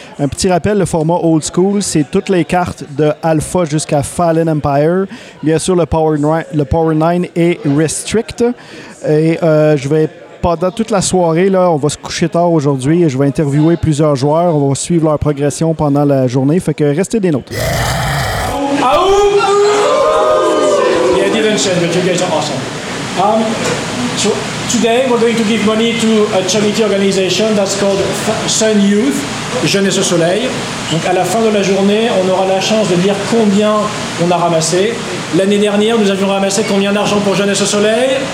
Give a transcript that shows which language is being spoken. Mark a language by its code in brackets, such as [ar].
[fr] Un petit rappel, le format old school, c'est toutes les cartes de Alpha jusqu'à Fallen Empire. Bien sûr, le Power 9 est Restrict. Et je vais, pendant toute la soirée, là, on va se coucher tard aujourd'hui et je vais interviewer plusieurs joueurs. On va suivre leur progression pendant la journée. Fait que restez des nôtres. Yeah. Oh! Oh! [en] Yeah, I didn't say, but you guys are awesome. Today we're going to give money to a charity organization that's called Sun Youth, Jeunesse au Soleil. [fr] Donc à la fin de la journée, on aura la chance de dire combien on a ramassé. L'année dernière, nous avions ramassé combien d'argent pour Jeunesse au Soleil?